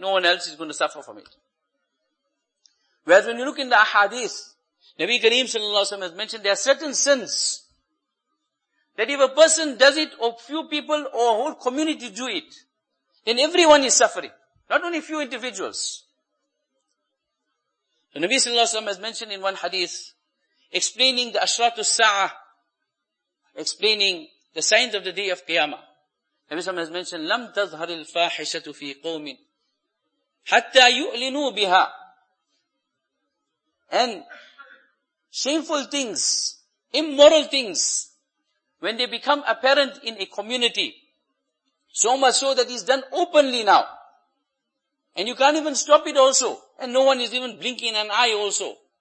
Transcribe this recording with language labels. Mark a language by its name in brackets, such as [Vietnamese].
[English] No one else is going to suffer from it. Whereas when you look in the ahadith, Nabi Kareem Sallallahu Alaihi Wasallam has mentioned there are certain sins that if a person does it, or few people, or a whole community do it, then everyone is suffering. Not only few individuals. The Nabi Sallallahu Alaihi Wasallam has mentioned in one hadith, explaining the Ashratu Sa'ah, explaining the signs of the day of Qiyamah. [Arabic] The Nabi Sallallahu Alaihi Wasallam has mentioned, لَمْ تَظْهَرِ الْفَاحِشَةُ فِي قَوْمٍ حَتَّى يُؤْلِنُوا بِهَا. [English] And shameful things, immoral things, when they become apparent in a community, so much so that it's done openly now. And you can't even stop it also. And no one is even blinking an eye also.